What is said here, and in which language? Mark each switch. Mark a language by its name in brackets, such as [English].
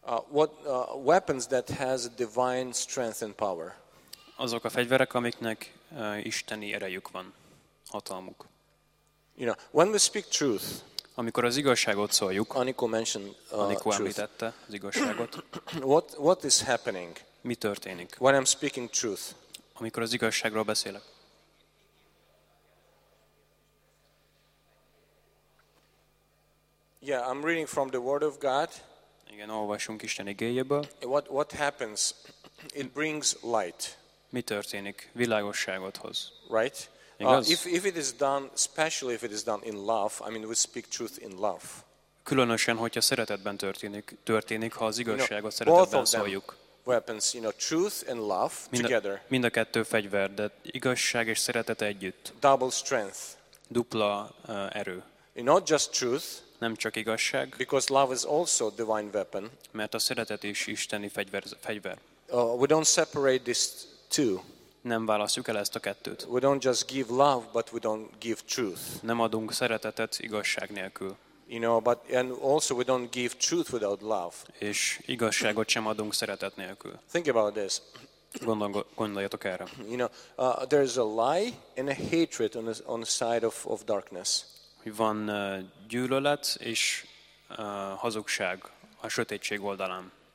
[English] What weapons that has divine strength and power? [Hungarian] Azok a fegyverek, amiknek isteni erejük van, hatalmuk. [English] You know, when we speak truth. [Hungarian] Amikor az igazságot szóljuk. [English] Aniko mentioned [Hungarian] Aniko említette az igazságot. [English] What is happening? [Hungarian] Mi történik? [English] When I'm speaking truth. [Hungarian] Amikor az igazságról beszélek. [English] Yeah, I'm reading from the word of God. [Hungarian] Igen, olvasunk Isten igéjéből. [English] What happens? It brings light. [Hungarian] Mi történik? Világosságot hoz. [English] Right? [Hungarian] Igaz? [English] If it is done, especially if it is done in love, I mean we speak truth in love. [Hungarian] Különösen, hogyha szeretetben történik, ha az igazságot szeretetben szóljuk. [English] Weapons, you know, truth and love together. [Hungarian] Mind a kettő fegyver, de igazság és szeretet együtt. [English] Double strength. [Hungarian] Dupla erő. [English] And not just truth. [Hungarian] Nem csak igazság. [English] Because love is also a divine weapon. [Hungarian] Mert a szeretet is isteni fegyver. [English] We don't separate these two. [Hungarian] Nem választjuk el ezt a kettőt. [English] We don't just give love, but we don't give truth. [Hungarian] Nem adunk szeretetet igazság nélkül. [English] You know, but and also we don't give truth without love. [Hungarian] És igazságot sem adunk szeretet nélkül. [English] Think about this. [Hungarian] Gondoljatok erre. [English] You know, there is a lie and a hatred on the side of darkness. [Hungarian] hogy van gyűlölet és hazugság a sötétség oldalán.